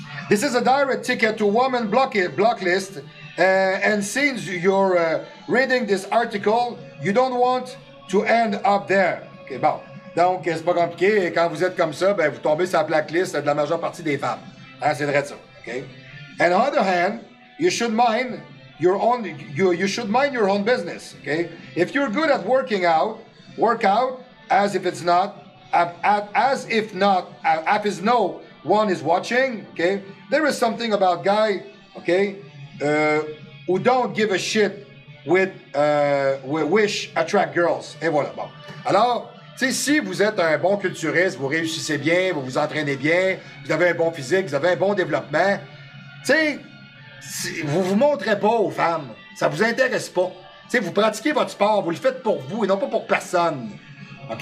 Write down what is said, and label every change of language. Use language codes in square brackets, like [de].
[en] This is a direct ticket to woman blocklist. And since you're reading this article, you don't want to end up there. [fr] OK, bon. Donc, c'est pas compliqué. Quand vous êtes comme ça, ben vous tombez sur la blacklist de la majeure partie des femmes. Hein, c'est vrai ça. OK? [en] And on the other hand, you should mind your own business. OK? If you're good at working out, work out as if it's not, as if not, as if no one is watching. OK? There is something about guy, OK? Who don't give a shit with wish attract girls. [fr] Et voilà. Bon. Alors, tu sais, si vous êtes un bon culturiste, vous réussissez bien, vous vous entraînez bien, vous avez un bon physique, vous avez un bon développement, tu sais, vous vous montrez pas aux femmes. Ça vous intéresse pas. Tu sais, vous pratiquez votre sport, vous le faites pour vous et non pas pour personne. OK?